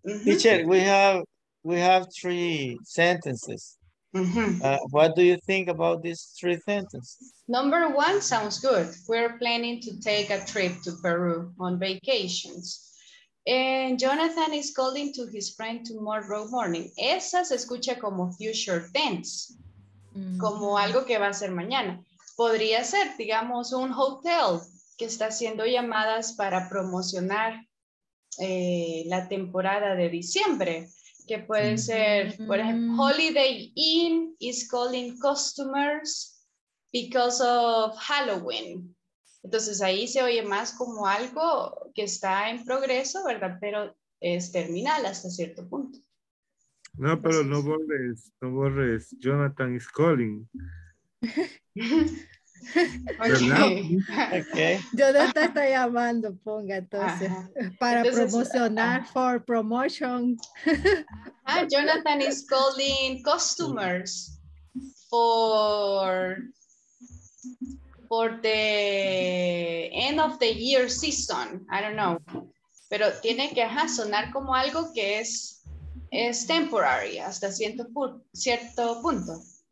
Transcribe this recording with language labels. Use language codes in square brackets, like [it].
[en] Teacher, we have three sentences. Mm-hmm. What do you think about these three sentences? Number one sounds good. We're planning to take a trip to Peru on vacations. And Jonathan is calling to his friend tomorrow morning. [es] Esa se escucha como future tense, como algo que va a ser mañana. Podría ser, digamos, un hotel que está haciendo llamadas para promocionar la temporada de diciembre. Que puede ser, por ejemplo, [en] Holiday Inn is calling customers because of Halloween. [es] Entonces ahí se oye más como algo que está en progreso, ¿verdad? Pero es terminal hasta cierto punto. No, pero no borres, no borres. [en] Jonathan is calling. [es] Okay. Okay. Yo te estoy llamando, ponga entonces, para entonces, promocionar, [en] for promotion. Jonathan is calling customers for the end of the year season. I don't know. [es] Pero tiene que sonar como algo que es temporary hasta cierto punto.